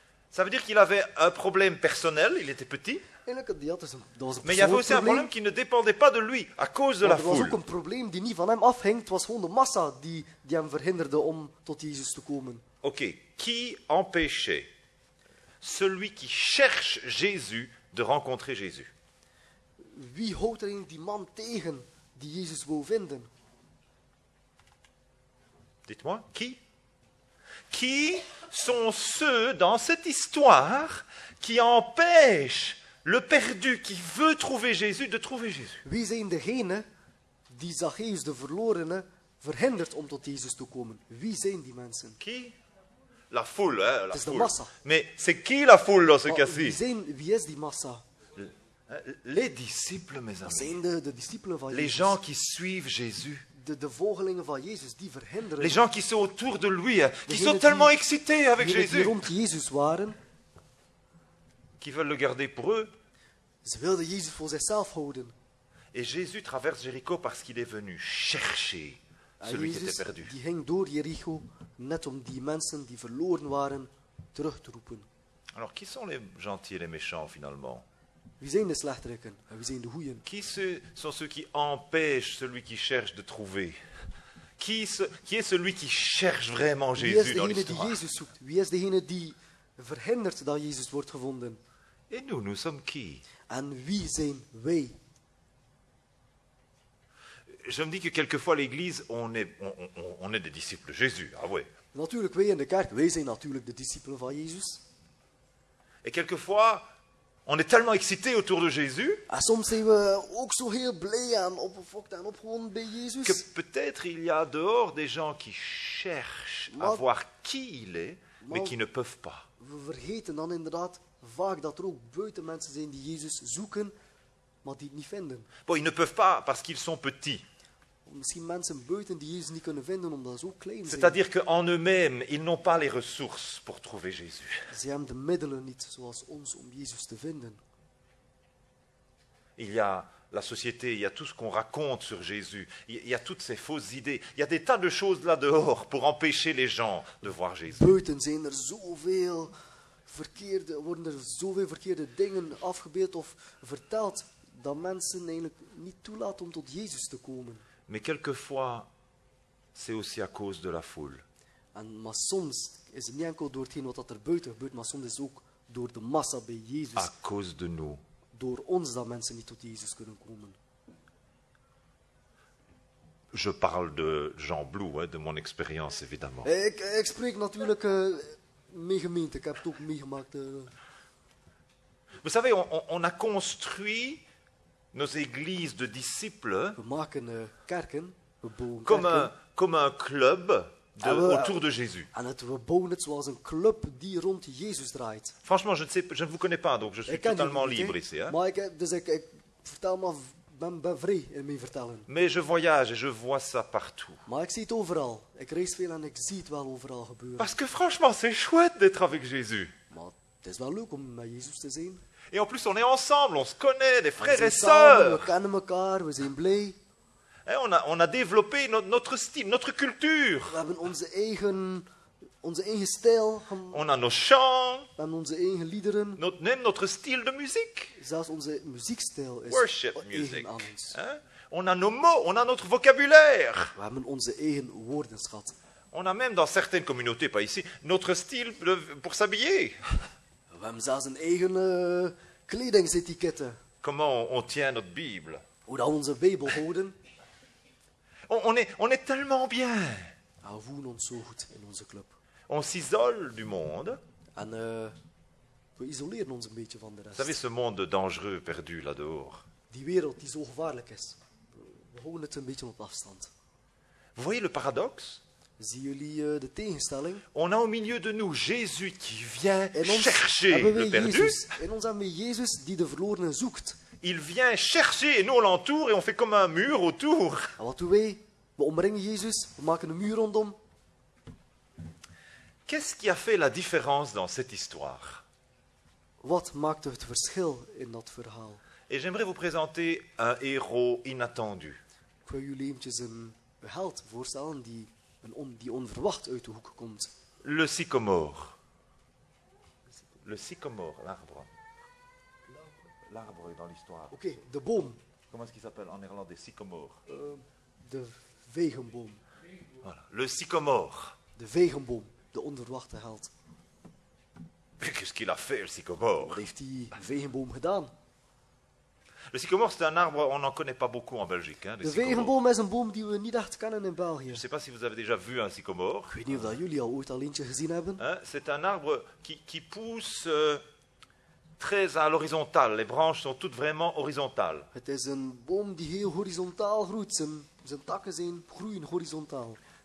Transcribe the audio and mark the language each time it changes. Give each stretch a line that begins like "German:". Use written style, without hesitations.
French: Ça veut dire qu'il avait un problème personnel, il était petit. Mais il y avait aussi un problème qui ne dépendait pas de lui, à cause de la foule.
Dutch: Er was ook een probleem die niet van hem afhing, het was gewoon de massa die hem verhinderde om tot Jezus te komen.
French: Ok, qui empêchait celui qui cherche Jésus de rencontrer Jésus?
Dutch: Wie houdt er die man tegen die Jezus wou vinden?
French: Dites-moi, qui? Qui sont ceux dans cette histoire qui empêchent le perdu qui veut trouver Jésus de trouver Jésus?
Dutch: Wie zijn degenen die Zacchaeus, de verlorene, verhindert om tot Jezus te komen? Wie zijn die mensen?
French: Qui? La foule, hein, la
Dutch: Het is de massa.
French: Mais c'est qui la foule dans ce cas-ci?
Dutch: Wie is die massa?
French: Les disciples, mes amis.
Dutch: Zijn de disciples van Jezus.
French: Les gens qui suivent Jésus.
Dutch: De volgelingen van Jezus die verhinderen.
French: Les gens qui sont autour de lui, hein, qui sont tellement excités avec Jésus.
Dutch: Die rond Jezus waren.
French: Qui veulent le garder pour eux.
Dutch: Ze wilden Jezus voor zichzelf houden.
French: Et Jésus traverse Jéricho parce qu'il est venu chercher celui
Dutch: Jezus
French: qui était perdu.
Dutch: Die ging door Jericho net om die mensen die verloren waren terug te roepen.
French: Alors qui sont les gentils et les méchants finalement?
Dutch: Wie zijn de slechterikken en wie zijn de goeien?
French: Qui sont ceux qui empêchent celui qui cherche de trouver? Qui est celui qui cherche vraiment Jésus dans l'histoire?
Dutch: Wie is degene die Jezus zoekt? Wie is degene die verhindert dat Jezus wordt gevonden?
French: Et nous sommes qui?
Dutch: En wie zijn wij?
French: Je me dis que quelquefois l'église, on est des disciples de Jésus. Ah ouais.
Dutch: Natuurlijk, wij in de kerk, wij zijn natuurlijk de discipelen van Jezus.
French: Et quelquefois, On est tellement excité autour de Jésus que peut-être il y a dehors des gens qui cherchent à voir qui il est, mais qui ne peuvent pas.
Dutch: We vergeten dan inderdaad vaak dat er ook buiten mensen zijn die Jezus zoeken, maar die het niet vinden.
French: Bon, ils ne peuvent pas parce qu'ils sont petits.
Dutch: Misschien mensen buiten die Jezus niet kunnen vinden omdat ze ook klein zijn.
French: C'est-à-dire qu'en eux-mêmes, ils n'ont pas les ressources pour trouver Jésus.
Dutch: Ze hebben de middelen niet zoals ons om Jezus te vinden.
French: Il y a la société, il y a tout ce qu'on raconte sur Jésus, il y a toutes ces fausses idées, il y a des tas de choses là dehors pour empêcher les gens de voir Jésus.
Dutch: Buiten zijn er zoveel verkeerde, worden er zoveel verkeerde dingen afgebeeld of verteld dat mensen eigenlijk niet toelaten om tot Jezus te komen.
French: Mais quelquefois, c'est aussi à cause de la foule.
Dutch: En, maar soms is het niet enkel door hetgeen wat er buiten gebeurt, maar soms is het ook door de massa bij Jezus.
French: À cause de nous.
Dutch: Door ons dat mensen niet tot Jezus kunnen komen.
French: Je parle de Jean Blou, de mon expérience, évidemment.
Dutch: Ik spreek natuurlijk mijn gemeente. Ik heb het ook meegemaakt.
French: Vous savez, on a construit nos églises de disciples.
Dutch: We maken kerken. We bouwen
French: comme un club autour de Jésus.
Dutch: En het, we bouwen het zoals een club die rond Jezus draait.
French: Franchement, je ne vous connais pas, donc je suis totalement libre ici.
Dutch: Maar ik vertel maar, ben vrij in mijn vertellen.
French: Mais je voyage et je vois ça partout.
Dutch: Maar ik zie het overal. Ik reis veel en ik zie het wel overal gebeuren.
French: Parce que franchement, c'est chouette d'être avec Jésus.
Dutch: Maar het is wel leuk om met Jezus te zijn.
French: Et en plus, on est ensemble, on se connaît, des frères et sœurs.
Dutch: We kennen elkaar, we zijn blij.
French: Et on a développé notre style, notre culture.
Dutch: We hebben onze eigen stijl.
French: On a nos chants.
Dutch: We hebben onze eigen liederen.
French: Même notre style de musique.
Dutch: Zelfs onze muziekstijl is
English: worship music.
French: On a nos mots, on a notre vocabulaire.
Dutch: We hebben onze eigen woordenschat.
French: On a même dans certaines communautés, pas ici, notre style pour s'habiller.
Dutch: We hebben zelfs een eigen kledingsetiketten.
French: Comment on tient notre Bible?
Dutch: Hoe dat onze Bijbel houden.
French: On est tellement bien.
Dutch: We voelen ons zo goed in onze club.
French: On s'isole du monde.
Dutch: En we isoleren ons een beetje van de rest.
French: Vous savez, ce monde dangereux perdu là dehors.
Dutch: Die wereld die zo gevaarlijk is. We houden het een beetje op afstand.
French: Vous voyez le paradoxe?
Dutch: Zien jullie de tegenstelling?
French: On a au milieu de nous Jésus qui vient chercher le perdu.
Dutch: En ons hebben we Jezus die de verlorenen zoekt.
French: Il vient chercher et nous on l'entoure et on fait comme un mur autour.
Dutch: Wat doen wij? We omringen Jezus, we maken een muur rondom.
French: Qu'est-ce qui a fait la différence dans cette histoire?
Dutch: Wat maakte het verschil in dat verhaal?
French: Et j'aimerais vous présenter un héros inattendu.
Dutch: Ik wil jullie eventjes een held voorstellen die die onverwacht uit de hoek komt.
French: Le sycomore. Le sycomore, l'arbre. L'arbre dans l'histoire.
Dutch: Ok, de boom.
French: Comment est-ce qu'il s'appelle en néerlandais? Sycomore.
Dutch: De vegenboom.
French: Voilà. Le sycomore.
Dutch: De vegenboom, de onverwachte held.
French: Mais qu'est-ce qu'il a fait, le sycomore?
Dutch: Wat heeft die vegenboom gedaan?
French: Le sycomore, c'est un arbre, on n'en connaît pas beaucoup en Belgique.
Dutch: De vegenboom is een boom die we niet echt kennen in België.
French: Je ne sais pas si vous avez déjà vu un sycomore.
Dutch: Ik weet niet of jullie al ooit al eentje gezien hebben.
French: C'est un arbre qui pousse très à l'horizontale. Les branches sont toutes vraiment horizontales.
Dutch: Het is een boom die heel horizontaal groeit. Zijn takken zijn groeien horizontaal.